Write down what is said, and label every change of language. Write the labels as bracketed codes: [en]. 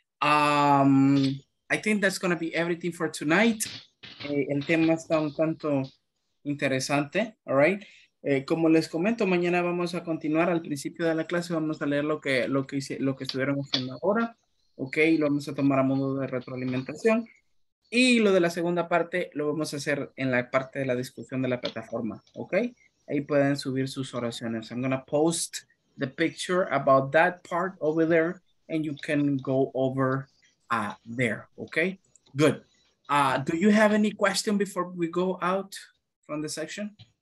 [en] I think that's going to be everything for tonight. [es] El tema está un tanto interesante, [en] all right? [es] Como les comento, mañana vamos a continuar al principio de la clase. Vamos a leer lo que estuvieron haciendo ahora. Okay, lo vamos a tomar a modo de retroalimentación. Y lo de la segunda parte lo vamos a hacer en la parte de la discusión de la plataforma, ¿ok? Ahí pueden subir sus oraciones. [en] I'm going to post the picture about that part over there, and you can go over there, ¿ok? Good. Do you have any question before we go out from the section?